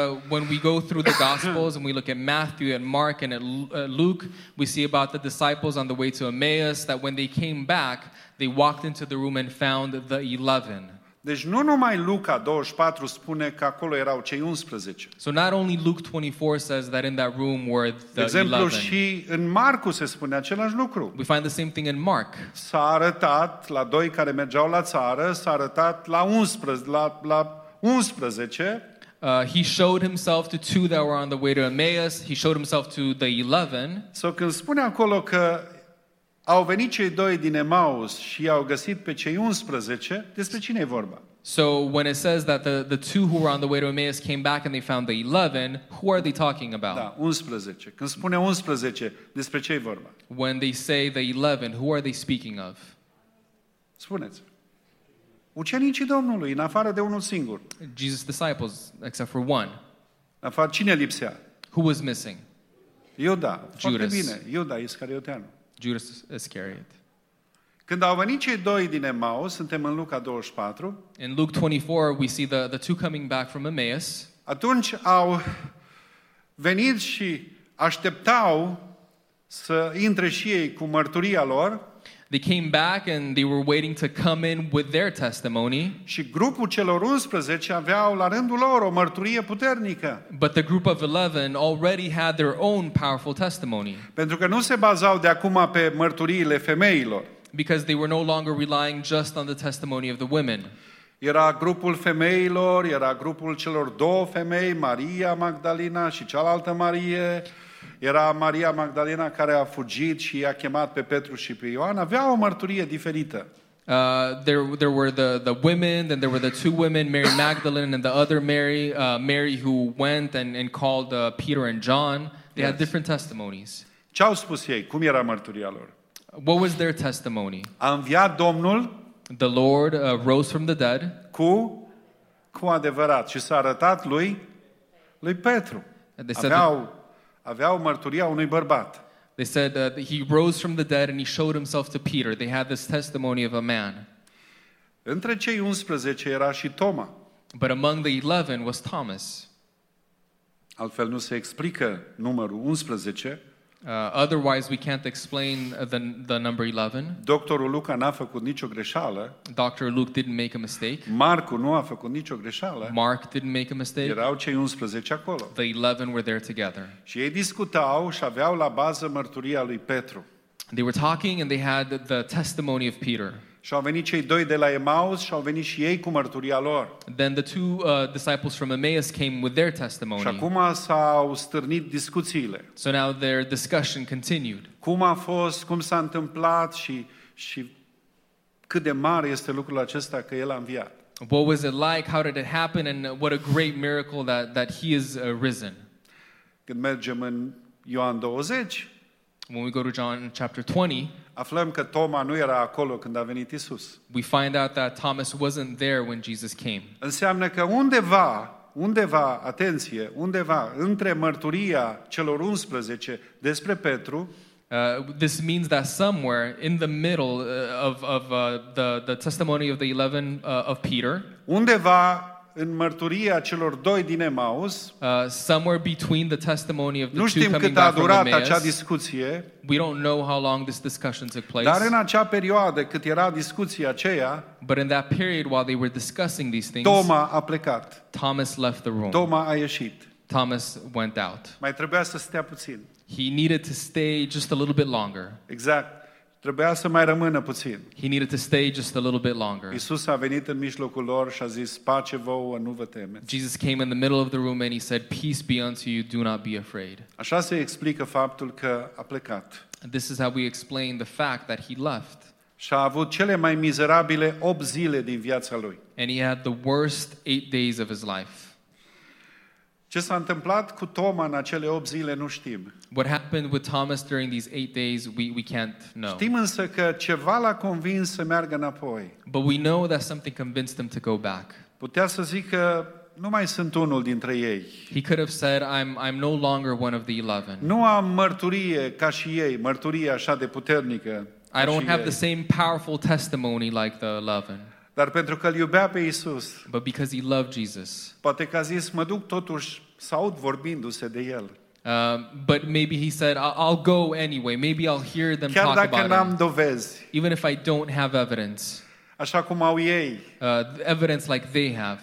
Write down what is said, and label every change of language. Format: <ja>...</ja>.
<en>When we go through the Gospels and we look at Matthew and Mark and at Luke, we see about the disciples on the way to Emmaus that when they came back, they walked into the room and found the 11.</en> <ro>Deci nu numai Luca 24 spune că acolo erau cei 11.</ro> <en>So not only Luke 24 says that in that room were the 11.</en> <ro>De exemplu, și în Marcu se spune același lucru.</ro> <en>We find the same thing in Mark.</en> <ro>S-a arătat la doi care mergeau la țară, s-a arătat la 11, la 11.</ro> <en>He showed himself to two that were on the way to Emmaus. He showed himself to the 11.</en> <ro>So când spune acolo că au venit cei doi din Emaus și i-au găsit pe cei 11, despre cine e vorba?</ro> <en>So when it says that the two who were on the way to Emmaus came back and they found the 11, who are they talking about?</en> <ro>Da, 11. Când spune 11, despre ce e vorba?</ro> <en>When they say the 11, who are they speaking of?</en> <ro>Spuneți. Ucenicii Domnului, în afară de unul singur.</ro> <en>Jesus' disciples, except for one.</en> <ro>În afară, cine lipsea?</ro> <en>Who was missing?</en> <ro>Iuda. Judas. Foarte bine, Iuda Iscarioteanu.</ro> <en>Judas Iscariot.</en> <ro>Când au venit cei doi din Emaus, suntem în Luca 24.</ro> <en>In Luke 24, we see the two coming back from Emmaus.</en> <ro>Atunci au venit și așteptau să intre și ei cu mărturia lor.</ro> <en>They came back and they were waiting to come in with their testimony.</en> <ro>Și grupul celor 11 aveau la rândul lor o mărturie puternică.</ro> <en>But the group of 11 already had their own powerful testimony.</en> <ro>Pentru că nu se bazau de acum pe mărturiile femeilor.</ro> <en>Because they were no longer relying just on the testimony of the women.</en> <ro>Era grupul femeilor, era grupul celor două femei, Maria Magdalena și cealaltă Marie. Era Maria Magdalena care a fugit și i-a chemat pe Petru și pe Ioan. Avea o mărturie diferită.</ro> <en>There were the women, then there were the two women, Mary Magdalene and the other Mary, Mary who went and called Peter and John. They yes. had different testimonies.</en> <ro>Ce au spus ei? Cum era mărturia lor?</ro> <en>What was their testimony?</en> <ro>A înviat Domnul.</ro> <en>The Lord rose from the dead.</en> <ro>Cu adevărat. Și s-a arătat lui Petru.</ro> <en>They said</en> <ro>aveau Aveau mărturia unui bărbat.</ro> <en>They said that he rose from the dead and he showed himself to Peter. They had this testimony of a man.</en> <ro>Între cei 11 era și Toma.</ro> <en>But among the 11 was Thomas.</en> <ro>Altfel nu se explică numărul 11.</ro> <en>Otherwise we can't explain the number 11.</en> <ro>Doctorul Luca n-a făcut nicio greșeală.</ro> <en>Dr. Luke didn't make a mistake.</en> <ro>Marcu nu a făcut nicio greșeală.</ro> <en>Mark didn't make a mistake.</en> <ro>Erau cei 11 acolo.</ro> <en>The 11 were there together.</en> <ro>Și ei discutau și aveau la bază mărturia lui Petru.</ro> <en>They were talking and they had the testimony of Peter.</en> <ro>Și au venit cei doi de la Emaus și au venit și ei cu mărturia lor.</ro> <en>Then the two disciples from Emmaus came with their testimony.</en> <ro>Și acum s-au stârnit discuțiile.</ro> <en>So now their discussion continued.</en> <ro>Cum a fost, cum s-a întâmplat și cât de mare este lucrul acesta că el a înviat.</ro> <en>What was it like? How did it happen? And what a great miracle that he is risen.</en> <ro>Când mergem în Ioan 20,</ro> <en>when we go to John chapter 20,</en> <ro>aflăm că Toma nu era acolo când a venit Isus.</ro> <en>We find out that Thomas wasn't there when Jesus came.</en> <ro>Înseamnă că undeva, atenție, undeva între mărturia celor 11 despre Petru,</ro> <en>this means that somewhere in the middle of the testimony of the 11 of Peter,</en> <ro>undeva în mărturia celor doi din Emaus,</ro> <en>somewhere between the testimony of the two coming back from</en> <ro>Emaus, nu știm cât a durat acea discuție.</ro> <en>We don't know how long this discussion took place.</en> <ro>Dar în acea perioadă cât era discuția aceea,</ro> <en>but in that period while they were discussing these things,</en> <ro>Toma a plecat.</ro> <en>Thomas left the room.</en> <ro>Toma a ieșit.</ro> <en>Thomas went out.</en> <ro>Mai trebuia să stea puțin.</ro> <en>He needed to stay just a little bit longer.</en> <ro>Exact. Trebuia să mai rămână puțin.</ro> <en>He needed to stay just a little bit longer.</en> <ro>Iisus a venit în mijlocul lor și a zis, pace vouă, nu vă temeți.</ro> <en>Jesus came in the middle of the room and he said, peace be unto you, do not be afraid.</en> <ro>Așa se explică faptul că a plecat.</ro> <en>This is how we explain the fact that he left.</en> <ro>Și a avut cele mai mizerabile 8 zile din viața lui.</ro> <en>And he had the worst 8 days of his life.</en> <ro>Ce s-a întâmplat cu Toma în acele 8 zile nu știm.</ro> <en>What happened with Thomas during these 8 days we can't know.</en> <ro>Știm însă că ceva l-a convins să meargă înapoi.</ro> <en>But we know that something convinced him to go back.</en> <ro>Putea să zică nu mai sunt unul dintre ei.</ro> <en>He could have said I'm no longer one of the 11.</en> <ro>Nu am mărturie ca și ei, mărturie așa de puternică.</ro> <en>I don't have</en> <ro>ei.</ro> <en>The same powerful testimony like the 11.</en> <ro>Dar pentru că îl iubea pe Iisus.</ro> <en>But because he loved Jesus.</en> <ro>Poate că a zis, mă duc totuși să aud vorbindu-se de el.</ro> <en>But maybe he said, I'll go anyway. Maybe I'll hear them</en> <ro>chiar</ro> <en>talk about it.</en> <ro>Chiar dacă n-am dovezi.</ro> <en>Even if I don't have evidence.</en> <ro>Așa cum au ei.</ro> <en>Evidence like they have.</en>